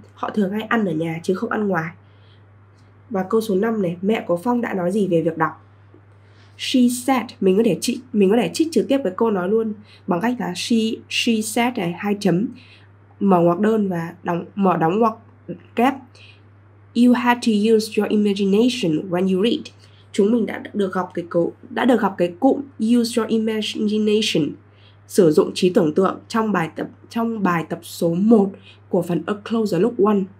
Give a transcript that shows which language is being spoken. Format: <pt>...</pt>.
<vi>Họ thường hay ăn ở nhà chứ không ăn ngoài. Và câu số 5 này, mẹ của Phong đã nói gì về việc đọc?</vi> <en>She said,</en> <vi>mình có thể trích trực tiếp với cô nói luôn bằng cách là she said này, hai chấm, mở ngoặc đơn và mở đóng ngoặc kép.</vi> <en>You had to use your imagination when you read.</en> <vi>Chúng mình đã được học cái cụm</vi> <en>use your imagination,</en> <vi>sử dụng trí tưởng tượng trong bài tập số 1 của phần A Closer Look 1.</vi>